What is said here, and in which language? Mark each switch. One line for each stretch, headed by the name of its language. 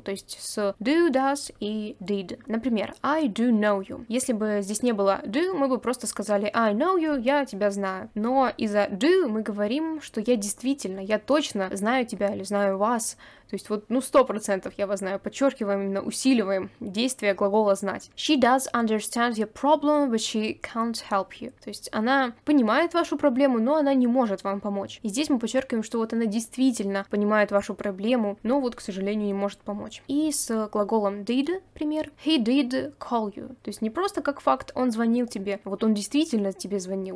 Russian: То есть с do, does и did. Например,
English: I do know you.
Russian: Если бы здесь не было do, мы бы просто сказали
English: I know you,
Russian: я тебя знаю. Но из-за do мы говорим, что я действительно, я точно знаю тебя или знаю вас. То есть вот, ну, 100% я вас знаю. Подчеркиваем, именно усиливаем действие глагола знать.
English: She does understand your problem, but she can't help you.
Russian: То есть она понимает вашу проблему, но она не может вам помочь. И здесь мы подчеркиваем, что вот она действительно понимает вашу проблему, но вот, к сожалению, не может помочь. И с глаголом did, пример.
English: He did call you.
Russian: То есть не просто как факт, он звонил тебе. Вот он действительно тебе звонил.